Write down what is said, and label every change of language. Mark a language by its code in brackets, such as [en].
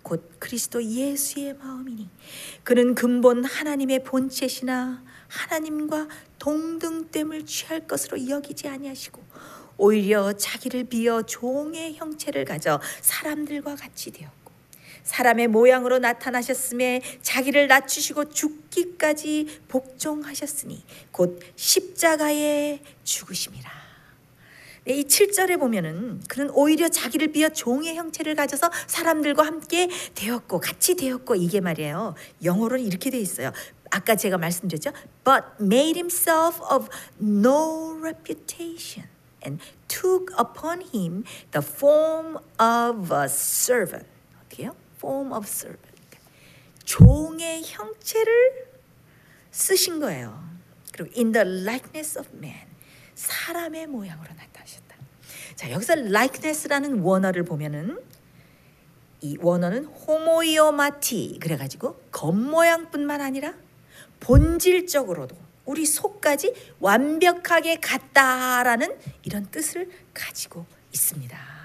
[ko] 곧 그리스도 예수의 마음이니 그는 근본 하나님의 본체시나 하나님과 동등됨을 취할 것으로 여기지 아니하시고 오히려 자기를 비어 종의 형체를 가져 사람들과 같이 되었고 사람의 모양으로 나타나셨음에 자기를 낮추시고 죽기까지 복종하셨으니 곧 십자가의 죽으심이라. 네, 이 7절에 보면은 그는 오히려 자기를 비어 종의 형체를 가져서 사람들과 함께 되었고 같이 되었고 이게 말이에요. 영어로는 이렇게 돼 있어요. 아까 제가 말씀드렸죠. [en] But made himself of no reputation and took upon him the form of a servant. [ko] 어떻게요? [en] Form of servant. [ko] 종의 형체를 쓰신 거예요. 그리고 [en] in the likeness of man. [ko] 사람의 모양으로 나타나셨다. 자, 여기서 likeness라는 원어를 보면은 이 원어는 homoiomati 그래가지고 겉모양뿐만 아니라 본질적으로도 우리 속까지 완벽하게 같다라는 이런 뜻을 가지고 있습니다.